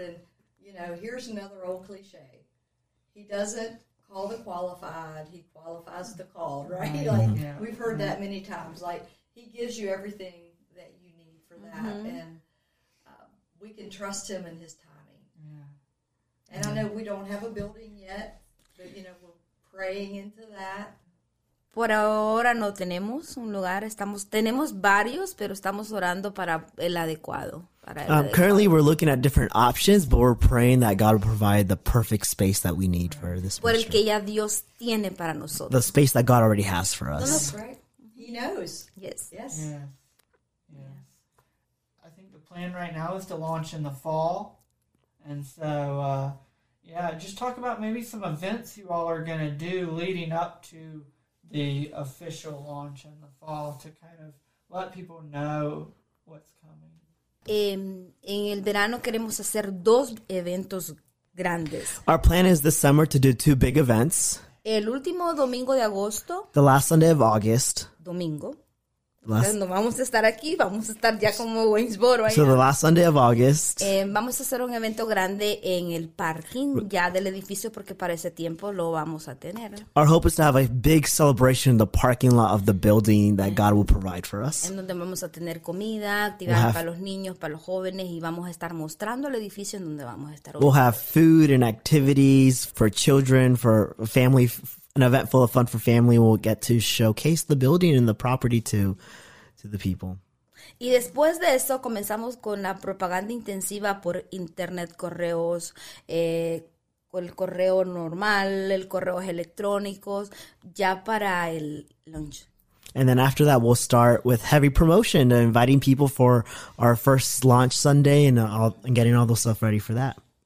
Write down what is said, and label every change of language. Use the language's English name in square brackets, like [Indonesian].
[English] And, you know, here's another old cliche. He doesn't call the qualified, he qualifies the called, right? Mm-hmm. Like, we've heard that many times. Like, he gives you everything that you need for that. Mm-hmm. And we can trust him in his timing. Yeah. And I know we don't have a building yet, but, you know, we're praying into that. [Spanish] Por ahora no tenemos un lugar. Tenemos varios, pero estamos orando para el adecuado. [English] Currently, we're looking at different options, but we're praying that God will provide the perfect space that we need for this ministry. [Spanish] Por el que ya Dios tiene para nosotros. [English] The space that God already has for us. No, that's right. He knows. Yes. Yes. Yeah. I think the plan right now is to launch in the fall. And so, just talk about maybe some events you all are going to do leading up to the official launch in the fall to kind of let people know what's coming. [Spanish] En el verano queremos hacer dos eventos grandes. [English] Our plan is this summer to do two big events. [Spanish] El último domingo de agosto. [English] The last Sunday of August. [Spanish] Domingo. No vamos a estar aquí, vamos a estar ya como Waynesboro. [English] So the last Sunday of August. [Spanish] Vamos a hacer un evento grande en el parking ya del edificio porque para ese tiempo lo vamos a tener. [English] Our hope is to have a big celebration in the parking lot of the building that God will provide for us. [Spanish] En donde vamos a tener comida, actividades para los niños, para los jóvenes y vamos a estar mostrando el edificio en donde vamos a estar. [English] We'll have food and activities for children, for family. An event full of fun for family. We'll get to showcase the building and the property to the people. [Spanish] Y después de eso, comenzamos con la propaganda intensiva por internet, correos, el correo normal, el correos electrónicos, ya para el launch. [English] And then after that, we'll start with heavy promotion, inviting people for our first launch Sunday and getting all the stuff ready for that.